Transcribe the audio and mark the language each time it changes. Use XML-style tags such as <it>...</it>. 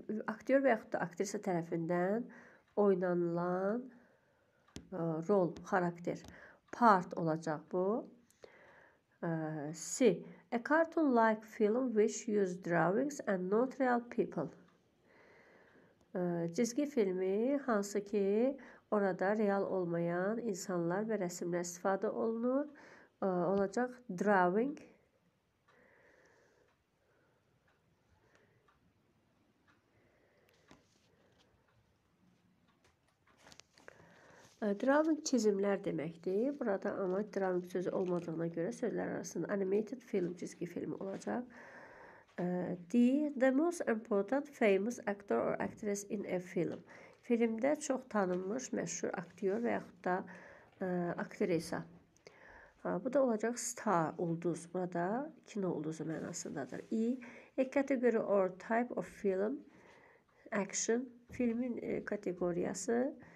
<az>Aktyor və yaxud da aktrisa tərəfindən oynanılan rol, xarakter, part olacaq bu.</az> <en>C, a cartoon-like film which used drawings and not real people.</en> <az>Cizgi filmi hansı ki orada real olmayan insanlar və rəsimlər istifadə olunur, olacaq drawing. Drawing çizimlər deməkdir. Burada ama drawing sözü olmadığına görə sözlər arasında animated film, çizgi filmi olacaq.</az> <en>D. The most important famous actor or actress in a film.</en> <az>Filmdə çox tanınmış, məşhur aktyor və yaxud da aktrisa. Bu da olacaq star, ulduz. Burada kino ulduzu mənasındadır. E.</az> <en>A category or type of film, action,</en> <az>filmin kateqoriyası.</az>